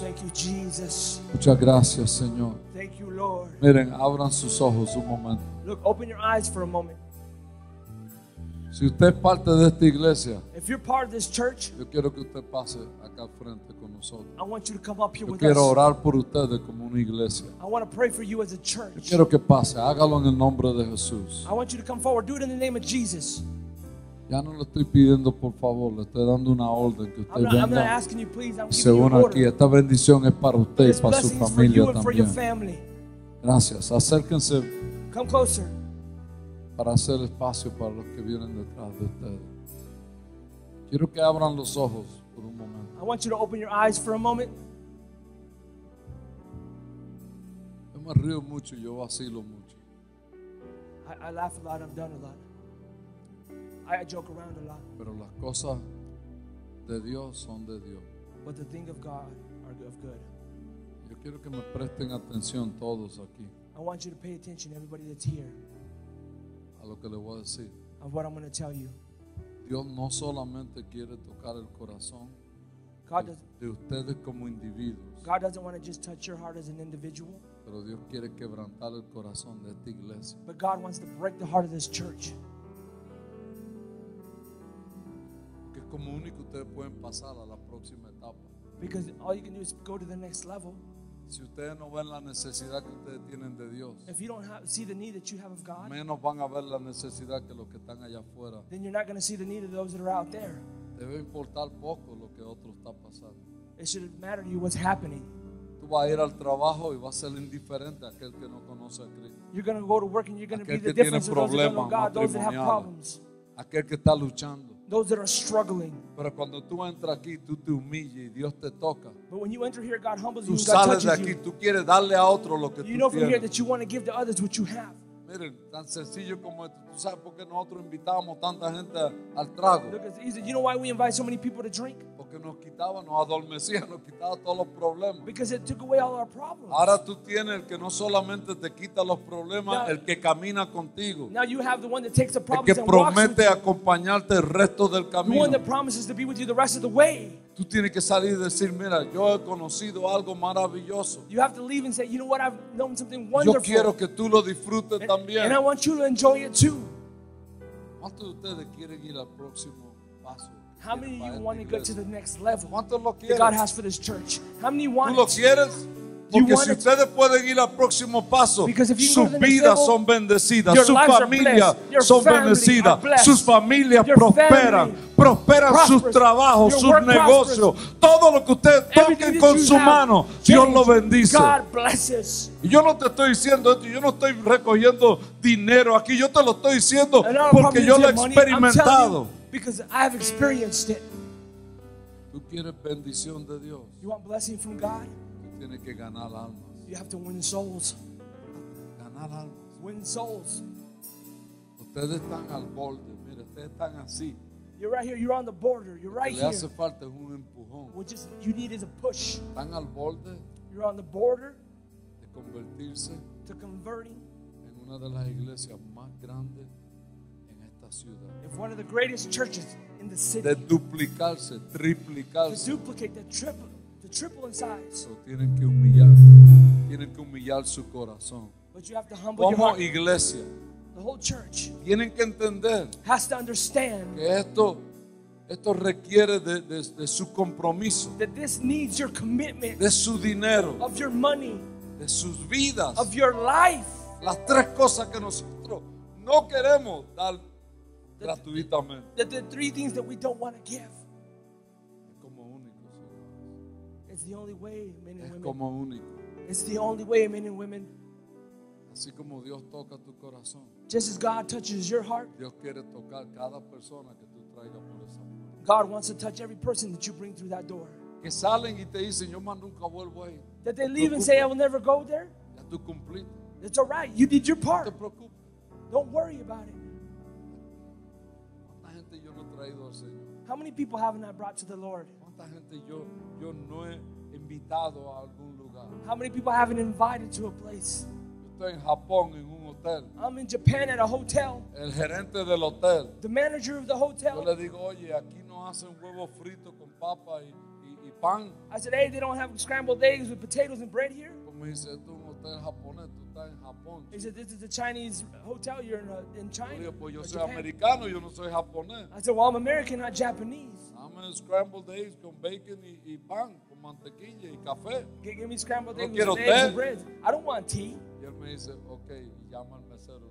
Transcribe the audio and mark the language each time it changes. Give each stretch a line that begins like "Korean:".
English: Thank you, Jesus.
Spanish: Muchas gracias, Señor.
English: Thank you, Lord.
Spanish: Miren, abran sus ojos un momento.
English: Look, open your eyes for a moment.
Spanish: Si usted es parte de esta iglesia,
English: if you're part of this church,
Spanish: yo quiero que usted pase acá al frente con nosotros.
English: I want you to come up here
Spanish: yo
English: with us.
Spanish: Quiero orar por ustedes como una iglesia.
English: I want to pray for you as a church.
Spanish: Yo quiero que pase. Hágalo en el nombre de Jesús.
English: I want you to come forward. Do it in the name of Jesus.
Spanish: Ya no lo estoy pidiendo por favor, le estoy dando una orden que usted venga. Se une aquí, esta bendición es para usted y para su familia también. Gracias, acérquense.
English: Come closer.
Spanish: Para hacer espacio para los que vienen detrás de usted. Quiero que abran los ojos por un momento.
English: I want you to open your eyes for a moment.
Spanish: Yo me río mucho, yo vacilo mucho.
English: I laugh a lot, I've done a lot. I joke around a lot.
Spanish: Pero las cosas de Dios son de Dios.
English: But the things of God are of good.
Spanish: Yo quiero que me presten atención todos aquí.
English: I want you to pay attention, everybody that's here.
Spanish: A lo que le voy a decir.
English: Of what I'm going to tell you.
Spanish: Dios no solamente quiere tocar el corazón de ustedes como individuos.
English: God doesn't want to just touch your heart as an individual.
Spanish: Pero Dios quiere quebrantar el corazón de esta iglesia.
English: But God wants to break the heart of this church.
Spanish: Como único ustedes pueden pasar a la próxima etapa.
English: Because all you can do is go to the next level.
Spanish: Si ustedes no ven la necesidad que ustedes tienen de Dios,
English: if you don't see the need that you have of God,
Spanish: menos van a ver la necesidad que los que están allá afuera.
English: Then you're not going to see the need of those that are out there.
Spanish: Debe importar poco lo que otro está pasando.
English: It should matter to you what's happening.
Spanish: Tú vas a ir al trabajo y vas a ser indiferente a aquel que no conoce a Cristo.
English: You're going to go to work and you're going to be the difference of those that don't know God, those that have problems.
Spanish: Aquel que está luchando.
English: Those that are struggling.
Spanish: Pero cuando tú entras aquí, tú te humillas y Dios te toca.
English: But when you enter here, God humbles
Spanish: tú
English: you and God touches
Spanish: de aquí,
English: you.
Spanish: Tú quieres darle a otro lo que
English: you know
Spanish: tú
English: from
Spanish: tienes.
English: Here that you want to give to others what you have.
Spanish: Miren, tan sencillo como esto. ¿Tú sabes por qué nosotros invitábamos tanta gente al trago?
English: Because you know why we invite so many people to drink?
Spanish: Porque nos quitaba, nos adormecía, nos quitaba todos los problemas.
English: Because it took away all our problems.
Spanish: Ahora tú tienes el que no solamente te quita los problemas,
English: now,
Spanish: el que camina contigo.
English: Now you have the one that takes the problems
Spanish: el que promete
English: and
Spanish: acompañarte el resto del camino.
English: The one that promises to be with you the rest of the way.
Spanish: Tú tienes que salir y decir, mira, yo he conocido algo maravilloso.
English: You have to leave and say, you know what, I've known something wonderful.
Spanish: Yo quiero que tú lo disfrutes también.
English: And I want you to enjoy it too.
Spanish: ¿Cuántos de ustedes quieren ir al próximo paso?
English: How many of you want to go to the next level?
Spanish: ¿Cuántos lo quieres?
English: That God has for this church. How many want
Spanish: ¿tú lo quieres? Porque si ustedes pueden ir al próximo paso, sus vidas son bendecidas, sus familias son bendecidas, sus familias prosperan, prosperan sus trabajos, sus negocios, todo lo que ustedes toquen con su mano, Dios lo bendice. Y yo no te estoy diciendo esto, yo no estoy recogiendo dinero aquí, yo te lo estoy diciendo porque yo lo he experimentado. ¿Tú quieres bendición de Dios?
English: You want blessing from God?
Spanish: Tiene que ganar almas.
English: You have to win souls.
Spanish: Ganar almas.
English: Win souls.
Spanish: Ustedes están al borde. Mira, ustedes están así.
English: You're right here. You're on the border. You're right here.
Spanish: Le hace falta un empujón.
English: What you need is a push.
Spanish: Están al borde.
English: you're on the border
Spanish: de convertirse
English: to converting
Spanish: en una de las iglesias más grandes en esta ciudad.
English: If one of the greatest churches in the city
Spanish: de duplicarse, triplicarse,
English: to duplicate, to triple in size.
Spanish: So tienen que humillar su corazón.
English: But you have to humble your heart.
Spanish: Iglesia,
English: the whole church
Spanish: tienen que entender
English: has to understand
Spanish: que esto requiere de su compromiso,
English: that this needs your commitment,
Spanish: de su dinero,
English: of your money,
Spanish: de sus vidas,
English: of your life.
Spanish: Las tres cosas que nosotros no queremos dar gratuitamente.
English: The three things that we don't want to give.
Spanish: Como único.
English: It's the only way, men and
Spanish: es
English: women.
Spanish: Como único.
English: It's the only way, men and women.
Spanish: Así como Dios toca tu corazón.
English: Just as God touches your heart.
Spanish: Dios quiere tocar cada persona que tú traigas por esa puerta.
English: God wants to touch every person that you bring through that door.
Spanish: Que salen y te dicen, yo más nunca vuelvo ahí.
English: That they leave and say, I will never go there.
Spanish: Ya tú cumpliste.
English: It's all right. You did your part.
Spanish: No te preocupes.
English: Don't worry about it.
Spanish: ¿Cuánta gente yo no he traído al Señor?
English: How many people haven't I brought to the Lord?
Spanish: ¿Cuánta gente yo no he invitado a algún lugar?
English: How many people haven't invited to a place?
Spanish: Estoy en Japón en un hotel.
English: I'm in Japan at a hotel.
Spanish: El gerente del hotel.
English: The manager of the hotel.
Spanish: Yo le digo, oye, aquí no hacen huevo frito con papa y pan.
English: I said, hey, they don't have scrambled eggs with potatoes and bread here.
Spanish: Como dice, esto es un hotel japonés.
English: He said, this is a Chinese hotel. You're in China.
Spanish: Yo soy americano, yo no soy japonés.
English: I said, well, I'm American, not Japanese. I'm in scrambled eggs
Spanish: con bacon y pan, con mantequilla y café.
English: Give me scrambled eggs with eggs and bread. I don't want tea.
Spanish: Y él me dice, okay, llama al mesero.